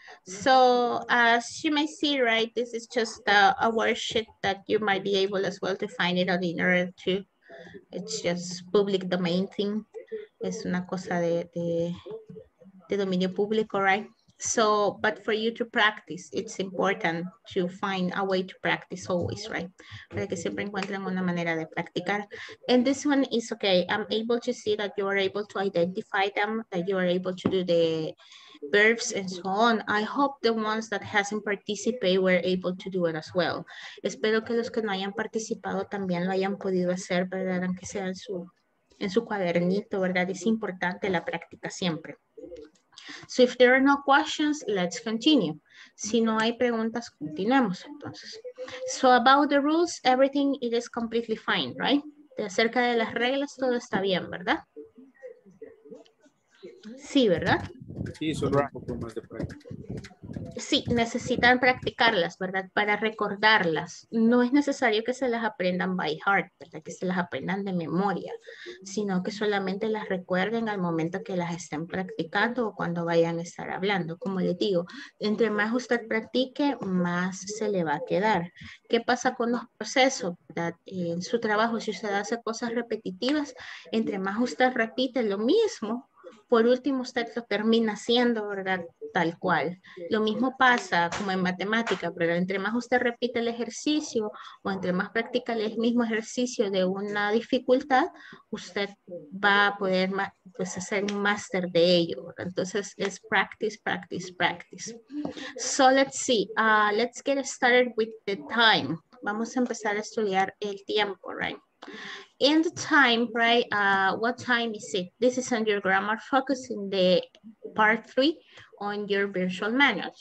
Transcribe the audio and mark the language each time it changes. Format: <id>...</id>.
<en>So, as you may see, right, this is just a worksheet that you might be able as well to find it on the internet too. It's just public domain thing.</en> <es>Es una cosa de dominio público,</es> <en>right? So, but for you to practice, it's important to find a way to practice always, right?</en> <es>Para que siempre encuentren una manera de practicar.</es> <en>And this one is okay. I'm able to see that you are able to identify them, that you are able to do the verbs and so on. I hope the ones that hasn't participated were able to do it as well.</en> <es>Espero que los que no hayan participado también lo hayan podido hacer, ¿verdad? Aunque sea en su cuadernito, ¿verdad? Es importante la práctica siempre.</es> <en>So if there are no questions, let's continue.</en> <es>Si no hay preguntas, continuemos entonces.</es> <en>So about the rules, everything it is completely fine, right?</en> <es>De acerca de las reglas, todo está bien, ¿verdad? Sí, ¿verdad? Sí, solo un poco más de práctica. sí, necesitan practicarlas, ¿verdad? Para recordarlas. No es necesario que se las aprendan</es> <en>by heart,</en> <es>¿verdad? Que se las aprendan de memoria, sino que solamente las recuerden al momento que las estén practicando o cuando vayan a estar hablando. Como les digo, entre más usted practique, más se le va a quedar. ¿Qué pasa con los procesos, ¿verdad? En su trabajo, si usted hace cosas repetitivas, entre más usted repite lo mismo, por último usted lo termina haciendo, ¿verdad? Tal cual. Lo mismo pasa como en matemática, pero entre más usted repite el ejercicio o entre más practica el mismo ejercicio de una dificultad, usted va a poder pues, hacer un máster de ello. Entonces es</es> <en>practice, practice, practice. So let's see. Let's get started with the time.</en> <es>Vamos a empezar a estudiar el tiempo,</es> <en>right? In the time, right, what time is it? This is on your grammar focus in the part 3 on your virtual manual.</en>